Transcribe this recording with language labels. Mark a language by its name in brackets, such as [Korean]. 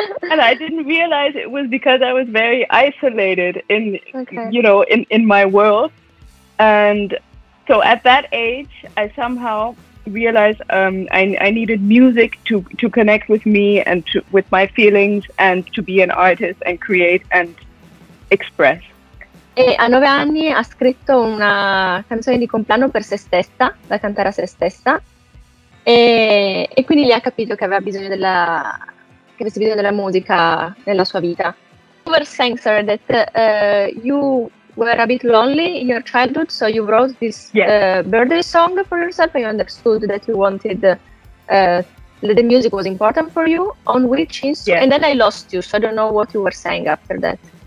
[English] And I didn't realize it was because I was very isolated in, you know, in my world. And so at that age, I somehow realized I needed music to connect with me and with my feelings, and to be an artist and create and express. [Italian] E a 9 anni ha scritto una canzone di compleanno per se stessa, da cantare a se stessa, e quindi lì ha capito che aveva bisogno della musica nella sua vita. [English] You were saying, sir, that you were a bit lonely in your childhood, so you wrote this birthday song for yourself, and you understood that you wanted the music was important for you. On which instrument? And then I lost you, so I don't know what you were saying after that.